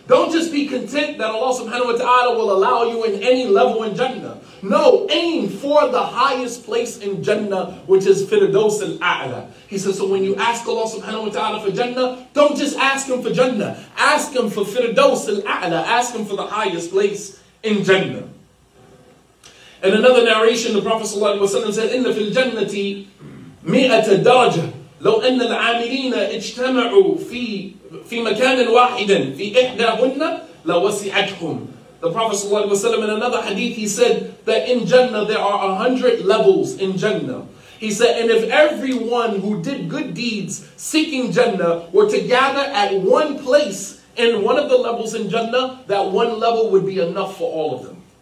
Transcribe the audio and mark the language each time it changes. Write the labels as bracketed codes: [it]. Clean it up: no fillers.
[en] Don't just be content that Allah subhanahu wa ta'ala will allow you in any level in Jannah. No, aim for the highest place in Jannah, which is Firdaus al-A'la. He says, so when you ask Allah subhanahu wa ta'ala for Jannah, don't just ask Him for Jannah. Ask Him for Firdaus al-A'la. Ask Him for the highest place in Jannah. In another narration, the Prophet sallallahu alaihi wasallam said, [ar] إِنَّ فِي الْجَنَّةِ مِئَةَ دَرَجَةً لَوْ أَنَّ الْعَامِلِينَ اجْتَمَعُوا فِي مَكَانٍ وَاحِدٍ فِي إِحْدَاهُنَّ لَوَسِعَتْهُمْ. [en] The Prophet sallallahu alaihi wasallam, in another hadith, he said that in Jannah there are 100 levels in Jannah. He said, and if everyone who did good deeds seeking Jannah were to gather at one place in one of the levels in Jannah, that one level would be enough for all of them.